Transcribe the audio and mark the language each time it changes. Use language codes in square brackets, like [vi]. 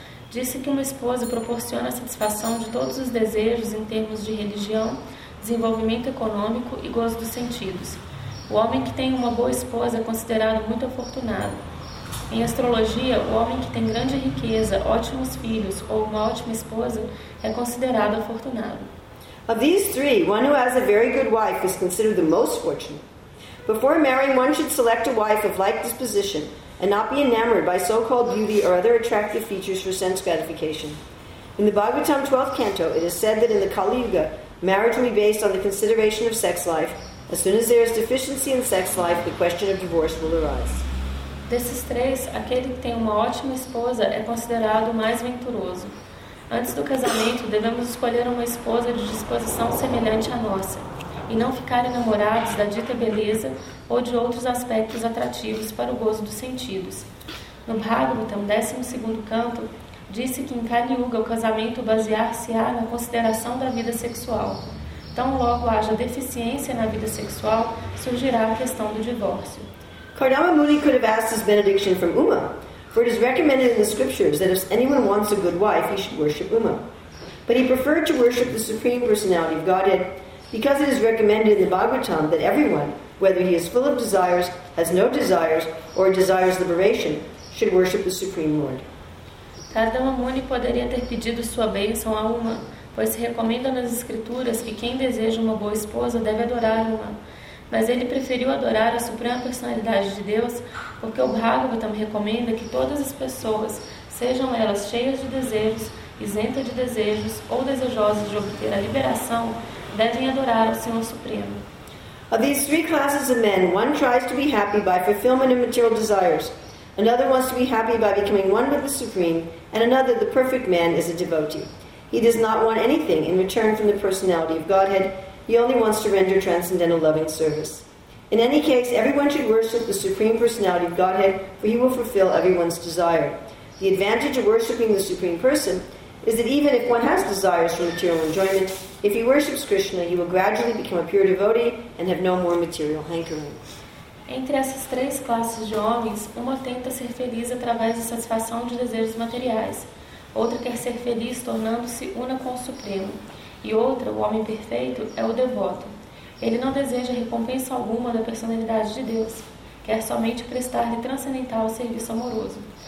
[pt] Disse que uma esposa proporciona a satisfação de todos os desejos em termos de religião, desenvolvimento econômico e gozo dos sentidos. O homem que tem uma boa esposa é considerado muito afortunado. Em astrologia, o homem que tem grande riqueza, ótimos filhos ou uma ótima esposa é considerado afortunado. [en] Of these three, one who has a very good wife is considered the most fortunate. Before marrying, one should select a wife of like disposition and not be enamored by so-called beauty or other attractive features for sense gratification. In the Bhagavatam 12th canto, it is said that in the Kali Yuga, marriage will be based on the consideration of sex life. As soon as there is deficiency in sex life, the question of divorce will arise. [pt] Desses três, aquele que tem uma ótima esposa é considerado o mais venturoso. Antes do casamento, devemos escolher uma esposa de disposição semelhante à nossa e não ficar enamorados da dita beleza ou de outros aspectos atrativos para o gozo dos sentidos. No Bhagavatam, 12º canto, disse que em Kali Yuga o casamento basear-se-á na consideração da vida sexual. Tão logo haja deficiência na vida sexual, surgirá a questão do divórcio. [en] Kardama Muni could have asked his benediction from Uma, for it is recommended in the scriptures that if anyone wants a good wife, he should worship Uma. But he preferred to worship the Supreme Personality of Godhead, because it is recommended in the Bhagavatam that everyone, whether he is full of desires, has no desires, or desires liberation, should worship the Supreme Lord. [pt] Kardama Muni poderia ter pedido sua bênção a Uma, pois se recomenda nas escrituras que quem deseja uma boa esposa deve adorar Uma. Mas ele preferiu adorar a Suprema Personalidade de Deus, porque o Bhagavatam recomenda que todas as pessoas, sejam elas cheias de desejos, isentas de desejos ou desejosas de obter a liberação, devem adorar ao Senhor Supremo. [en] Of these three classes of men, one tries to be happy by fulfillment of material desires, another wants to be happy by becoming one with the Supreme, and another, the perfect man, is a devotee. He does not want anything in return from the personality of Godhead. He only wants to render transcendental loving service. In any case, everyone should worship the Supreme Personality of Godhead, for he will fulfill everyone's desire. The advantage of worshipping the Supreme Person is that even if one has desires for material enjoyment, if he worships Krishna, he will gradually become a pure devotee and have no more material hankering. [pt] Entre essas três classes de homens, uma tenta ser feliz através da satisfação de desejos materiais, outra quer ser feliz tornando-se una com o Supremo, e outra, o homem perfeito, é o devoto. Ele não deseja recompensa alguma da personalidade de Deus, quer somente prestar-lhe transcendental serviço amoroso.